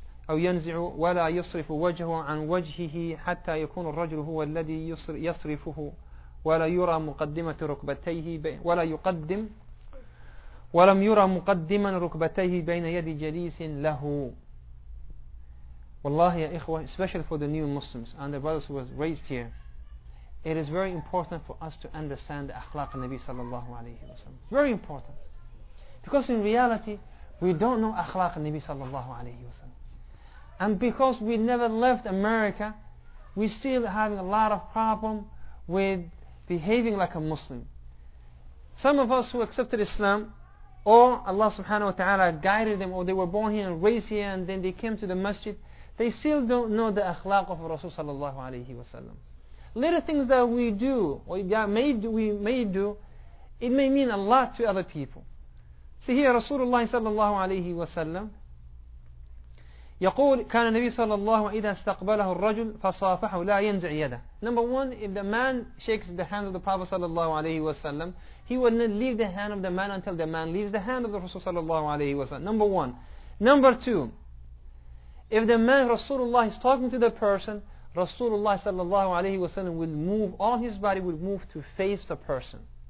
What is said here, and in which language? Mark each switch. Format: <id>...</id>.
<ar>أو ينزع ولا يصرف وجهه عن وجهه حتى يكون الرجل هو الذي يصرفه ولا يرى مقدمة ركبتيه ولا يقدم ولم يرى مقدما ركبتيه بين يدي جليس له. والله يا إخوة,</ar> <en>especially for the new Muslims and the brothers who was raised here, it is very important for us to understand the akhlaq of Nabi sallallahu alayhi wa sallam. Very important. Because in reality, we don't know akhlaq of Nabi sallallahu alayhi wa sallam. And because we never left America, we still having a lot of problem with behaving like a Muslim. Some of us who accepted Islam, or Allah subhanahu wa ta'ala guided them, or they were born here and raised here, and then they came to the masjid, they still don't know the akhlaq of Rasul sallallahu alayhi wa sallam. Little things that we do, or we may do, it may mean a lot to other people. See here, Rasulullah sallallahu alayhi wa sallam,</en> <ar>يقول كان النبي صلى الله عليه وسلم إذا استقبله الرجل فصافحه لا ينزع يده.</ar> <en>Number one, if the man shakes the hand of the Prophet صلى الله عليه وسلم, he will not leave the hand of the man until the man leaves the hand of the Rasul صلى الله عليه وسلم. Number one. Number two, if the man Rasulullah is talking to the person, Rasulullah صلى الله عليه وسلم will move, all his body will move to face the person.</en>